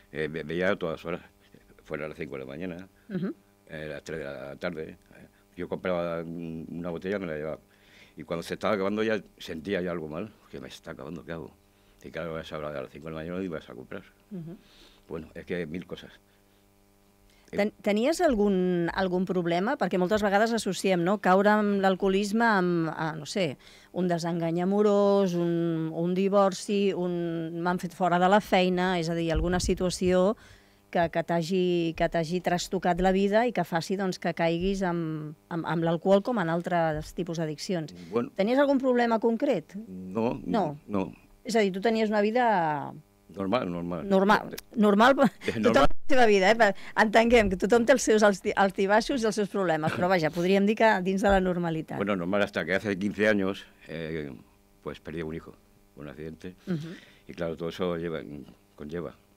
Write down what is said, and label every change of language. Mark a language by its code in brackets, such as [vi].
[es] Veía a todas horas, fuera a las 5 de la mañana, uh-huh, a las 3 de la tarde. Yo compraba una botella, me la llevaba. Y cuando se estaba acabando ya sentía ya algo mal, que me está acabando, ¿qué hago? Y claro, vas a hablar de las 5 de la mañana y vas a comprar. Uh-huh. Bueno, es que hay mil cosas. ¿Tenías algún problema? Porque muchas veces asociamos, [ca] ¿no?, caure en el alcoholismo a, no sé, un desengany amorós, un divorci, un m'han fet fora de la feina, és a dir, alguna situació que t'hagi trastocat la vida i que faci doncs, que caiguis amb l'alcohol com en altres tipus d'addiccions. Bueno, tenies algun problema concret? No. És a dir, tu tenies una vida... Normal. Tothom té la seva vida, eh? Entenguem que tothom té els seus altibaixos i els seus problemes, però vaja, podríem dir que dins de la normalitat. [es] Bueno, normal hasta que hace 15 años, pues perdí un hijo, un accidente, y claro, todo eso lleva, conlleva.